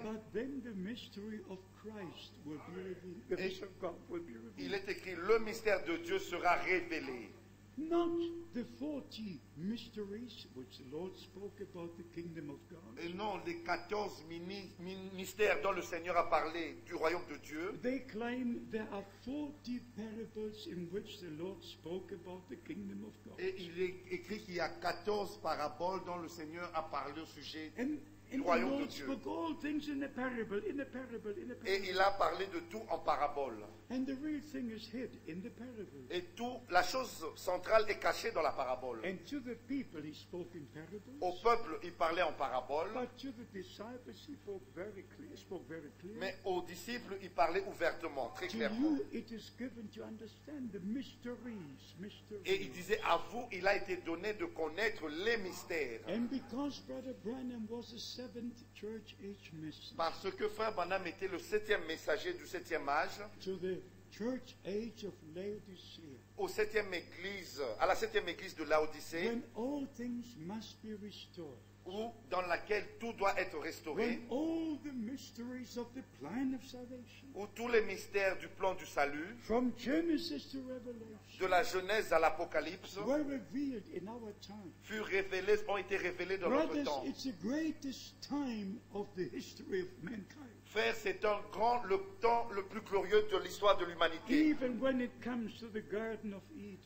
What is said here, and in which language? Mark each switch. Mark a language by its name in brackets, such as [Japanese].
[English] but then the mystery of Christ will be revealed. The mystery of God will be revealed. [French] Il est écrit, le mystère de Dieu sera révélé. [English] Not the 40 mysteries which the Lord spoke about the kingdom of God. [French] Et non, les 14 mystères dont le Seigneur a parlé du royaume de Dieu. [English] They claim there are 40 parables in which the Lord spoke about the kingdom of God. [French] Et il est écrit qu'il y a 14 paraboles dont le Seigneur a parlé au sujet du royaume de Dieu. [English] And the Lord spoke all things in a parable, in a parable, in a parable. [French] Et il a parlé de tout en parabole. [English] And the real thing is hid in the parable. [French] Et tout, la chose centrale est cachée dans la parabole. [English] And to the people he spoke in parables. [French] Au peuple, il parlait en parabole. [English] But to the disciples he spoke very clearly. Spoke very clearly. [French] Mais aux disciples, il parlait ouvertement, très [English] to [French] clairement. [English] To you, it is given to understand the mysteries, mysteries. [French] Et il disait à vous, il a été donné de connaître les mystères. [English] And because Brother Branham was a seventh church age message. [French] Parce que Frère Branham était le septième messager du septième âge. [English] The church age of Laodicea. [French] Au septième église, à la septième église de Laodicée. [English] When all things must be restored. [French] Ou dans laquelle tout doit être restauré. [English] When all the mysteries of the plan of salvation. [French] Ou tous les mystères du plan du salut. [English] From Genesis to Revelation. [French] De la Genèse à l'Apocalypse. [English] Were revealed in our time. [French] Furent révélés, ont été révélés dans [English] Brothers, [French] notre temps. [English] Brothers, it's the greatest time of the history of mankind. [French] Frère, c'est un grand, le temps le plus glorieux de l'histoire de l'humanité. [English] Even when it comes to the Garden of Eden.